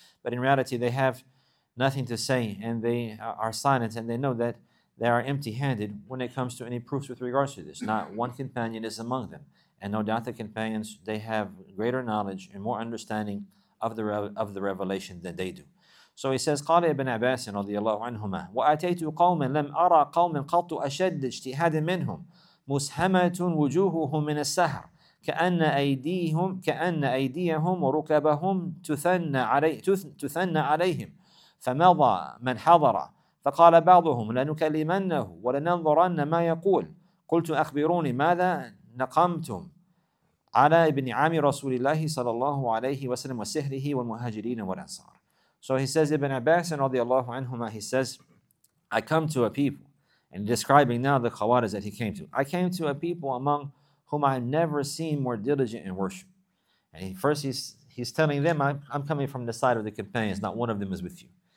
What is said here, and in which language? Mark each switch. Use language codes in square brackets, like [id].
[en] But in reality, they have nothing to say, and they are silent, and they know that they are empty-handed when it comes to any proofs with regards to this. Not one companion is among them. And no doubt the companions, they have greater knowledge and more understanding of the revelation than they do. So he says, [ar] قَالَ إِبْنَ عَبَاسٍ رَضِيَ اللَّهُ عَنْهُمَا وَأَتَيْتُ قَوْمًا لَمْ أَرَى قَوْمٍ قَطُّ أَشَدِّ اجْتِهَادٍ مِّنْهُمْ مُسْهَمَةٌ وُجُوهُهُمْ مِنَ السَّهَرِ كَأَنَّ أَيْدِيَهُمْ وَرُكَبَهُمْ تُثَنَّ عَلَيْهِمْ فمضى من حضر فقال بعضهم لنكلمنه ولننظرن ما يقول قلت أخبروني ماذا نقمتم على ابن عام رسول الله صلى الله عليه وسلم وسهره والمهاجرين والأنصار. [en] So he says, Ibn Abbas radiallahu anhuma, he says, I come to a people, and describing now the Khawarij that he came to. I came to a people among whom I have never seen more diligent in worship. And he's telling them, I'm coming from the side of the companions, not one of them is with you.